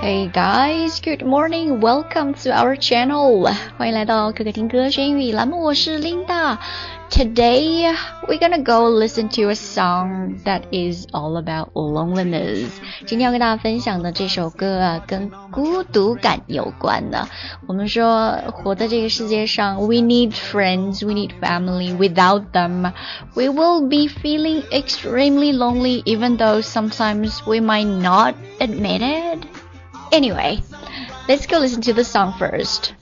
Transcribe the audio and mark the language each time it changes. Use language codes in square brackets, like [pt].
[en] Hey guys, good morning, welcome to our channel. [zh] 欢迎来到可可听歌学英语栏目，我是 Linda. [en] Today, we're gonna go listen to a song that is all about loneliness. [zh] 今天要跟大家分享的这首歌啊，跟孤独感有关的。我们说活在这个世界上 [en] we need friends, we need family. Without them, we will be feeling extremely lonely even though sometimes we might not admit it. Anyway, let's go listen to the song first.